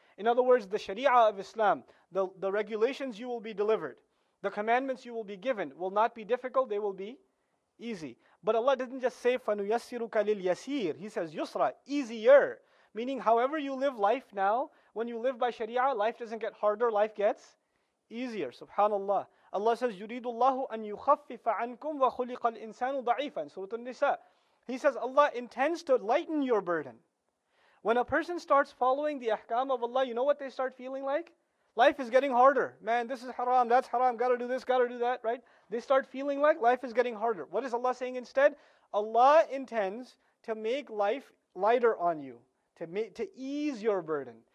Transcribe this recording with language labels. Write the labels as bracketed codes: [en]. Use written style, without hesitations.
[en] In other words, the sharia of Islam, the regulations you will be delivered, the commandments you will be given, will not be difficult, they will be easy. But Allah didn't just say, [ar] فَنُيَسِّرُكَ لِلْيَسِيرِ. [en] He says, yusra, easier. Meaning, however you live life now, when you live by sharia, life doesn't get harder, life gets easier. Subhanallah. Allah says, [ar] يُرِيدُ اللَّهُ أَن يُخَفِّفَ عَنْكُمْ وَخُلِقَ الْإِنسَانُ ضَعِيفًا. [en] Surah An-Nisa. He says, Allah intends to lighten your burden. When a person starts following the ahkam of Allah, you know what they start feeling like? Life is getting harder. Man, this is haram, that's haram, gotta do this, gotta do that, right? They start feeling like life is getting harder. What is Allah saying instead? Allah intends to make life lighter on you, to ease your burden.